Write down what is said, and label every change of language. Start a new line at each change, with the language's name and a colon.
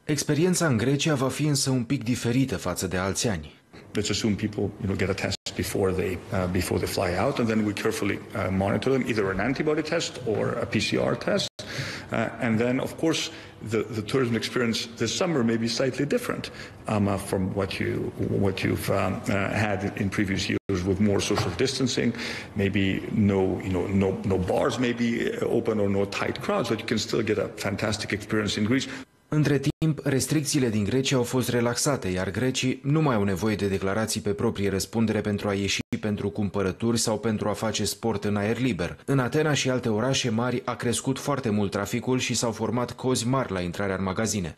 Romanian: Experiența în Grecia va fi însă un pic diferită față de alți ani.
English: Let's assume people, you know, get a test before they fly out and then we carefully monitor them, either an antibody test or a PCR test. And then, of course, the tourism experience this summer may be slightly different from what you've had in previous years, with more social distancing, maybe no bars may be open or no tight crowds, but you can still get a fantastic experience in Greece.
Romanian: Între timp, restricțiile din Grecia au fost relaxate, iar grecii nu mai au nevoie de declarații pe proprie răspundere pentru a ieși pentru cumpărături sau pentru a face sport în aer liber. În Atena și alte orașe mari a crescut foarte mult traficul și s-au format cozi mari la intrarea în magazine.